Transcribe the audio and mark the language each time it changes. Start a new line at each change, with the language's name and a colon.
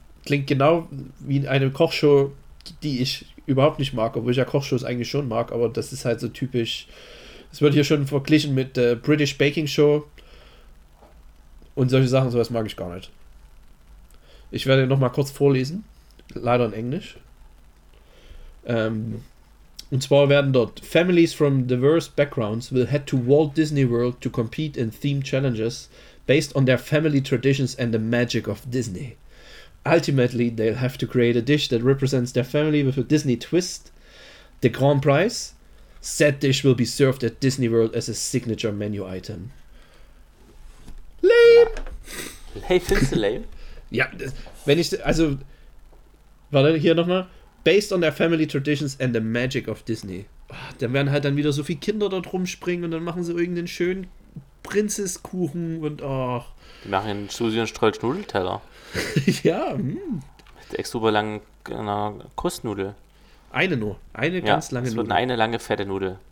German: Klingt genau wie eine Kochshow, die ich überhaupt nicht mag, obwohl ich ja Kochshows eigentlich schon mag, aber das ist halt so typisch. Es wird hier schon verglichen mit der British Baking Show und solche Sachen, sowas mag ich gar nicht. Ich werde noch mal kurz vorlesen, leider in Englisch. Und zwar werden dort
English: Families from diverse backgrounds will head to Walt Disney World to compete in theme challenges based on their family traditions and the magic of Disney. Ultimately, they'll have to create a dish that represents their family with a Disney twist. The grand prize, said dish will be served at Disney World as a signature menu item.
German: Hey, findest du lame? Ja, wenn ich, also, warte, hier nochmal.
English: Based on their family traditions and the magic of Disney.
German: Oh, dann werden halt dann wieder so viele Kinder dort rumspringen und dann machen sie irgendeinen schönen Prinzesskuchen und ach. Die machen Susi und Strolch Ja, mit extra langen Kussnudel. Eine nur, eine ganz Ja, lange es wird Nudel. eine lange fette Nudel.